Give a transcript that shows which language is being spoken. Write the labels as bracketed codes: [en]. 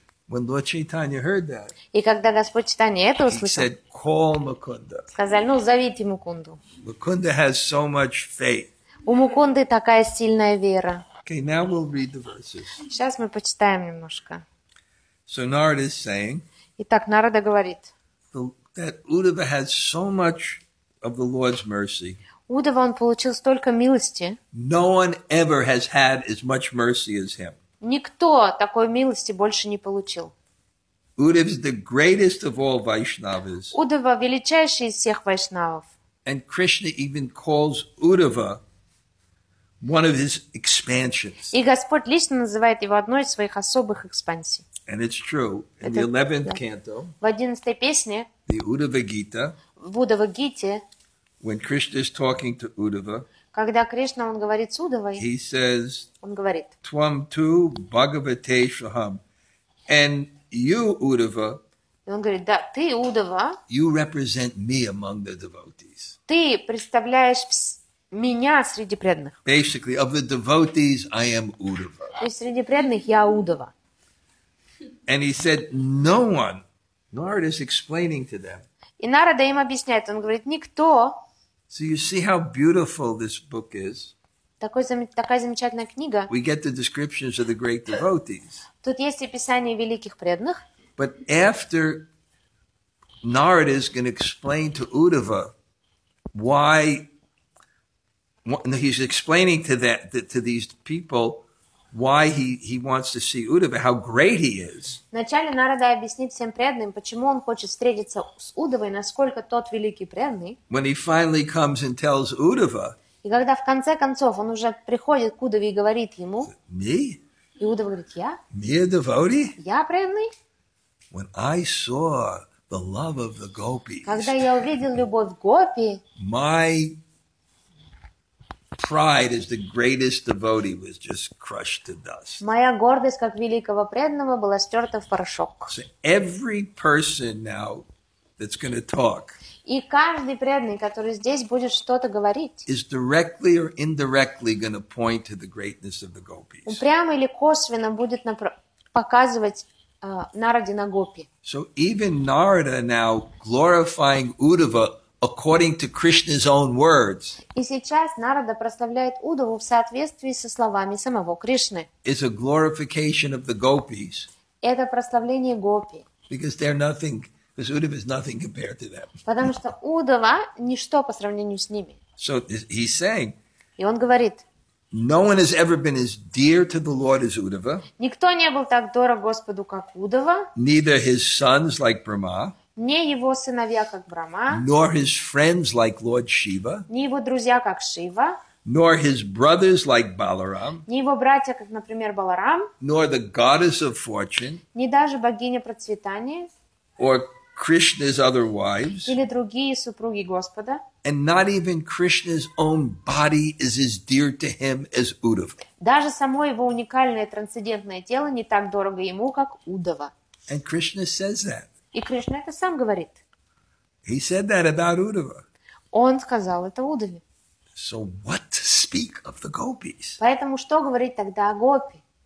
[en] When Lord Chaitanya heard that, [ru] и когда Господь Чайтанья это услышал, [en] he said, call Mukunda. [ru] Сказали, ну, зовите Мукунду. [en] Mukunda has so much faith. [ru] У Мукунды такая сильная вера. [en] Okay, now we'll read the verses. [ru] Сейчас мы почитаем немножко. [en] So Narada is saying, [ru] итак, Нарада говорит, [en] that Uddhava has so much of the Lord's mercy. [ru] Уддхава, он получил столько милости. [en] No one ever has had as much mercy as him. [ru] Никто такой милости больше не получил. [en] Uddhava is the greatest of all Vaishnavas. [ru] Уддхава величайший из всех вайшнавов. [en] And Krishna even calls Uddhava one of his expansions. [ru] И Господь лично называет его одной из своих особых экспансий. [en] And it's true. In the 11th canto. [ru] В 11-й песне. [en] The Uddhava Gita. [ru] В Уддхава Гите. [en] When Krishna is talking to Uddhava. [ru] Когда Кришна, он говорит с Уддхавой, [en] he says, [ru] он говорит, [sa] Твам ту Бхагавате Шахам, [en] and you, Uddhava, [ru] и он говорит, да, ты, Уддхава, [en] you represent me among the devotees. [ru] Ты представляешь меня среди преданных. [en] Basically, of the devotees, I am Uddhava. [ru] И среди преданных я Уддхава. [en] And he said, no one, Narada is explaining to them, [ru] и Нарада им объясняет, он говорит, никто. [en] So you see how beautiful this book is. [ru] такая замечательная книга. [en] We get the descriptions of the great devotees. [ru] Тут есть описание великих преданных. [en] But after Narada is going to explain to Uddhava why, no, he's explaining to that to these people why he wants to see Uddhava, how great he is. [ru] Вначале Нарада объяснит всем преданным, почему он хочет встретиться с Уддхавой, насколько тот великий преданный. [en] When he finally comes and tells Uddhava. [ru] И когда в конце концов он уже приходит к Уддхаве и говорит ему. [en] Me. [ru] И Уддхава говорит: я. [en] Me a devotee. [ru] Я преданный. [en] When I saw the love of the gopis. [ru] Когда я увидел любовь гопи. [en] My pride as the greatest devotee was just crushed to dust. [ru] Моя гордость как великого преданного была стерта в порошок. [en] So every person now that's going to talk. [ru] И каждый преданный, который здесь будет что-то говорить, [en] is directly or indirectly going to point to the greatness of the gopis. [ru] Прямо или косвенно будет показывать Нараде на гопи. [en] So even Narada now glorifying Uddhava according to Krishna's own words. [ru] И сейчас Нарада прославляет Уддхаву в соответствии со словами самого Кришны. [en] Is a glorification of the gopis. [ru] Это прославление гопи. [en] Because they're nothing. Because Uddhava is nothing compared to them. [ru] Потому что Уддхава ничто по сравнению с ними. [en] So he's saying. [ru] И он говорит. [en] No one has ever been as dear to the Lord as Uddhava. [ru] Никто не был так дорог Господу как Уддхава. [en] Neither his sons like Brahma. [ru] Не его сыновья как Брама. [en] Nor his friends like Lord Shiva. [ru] Не его друзья как Шива. [en] Nor his brothers like Balaram. [ru] Не его братья как, например, Баларам. [en] Nor the goddess of fortune. [ru] Не даже богиня процветания. [en] Or Krishna's other wives. [ru] Или другие супруги Господа. [en] And not even Krishna's own body is as dear to him as Uddhava. [ru] Даже само его уникальное трансцендентное тело не так дорого ему, как Уддхава. [en] And Krishna says that. [ru] И Кришна это сам говорит. [en] He said that about Uddhava. [ru] Он сказал это Уддхаве. [en] So what to speak of the gopis? [ru] Поэтому что говорить тогда о гопи?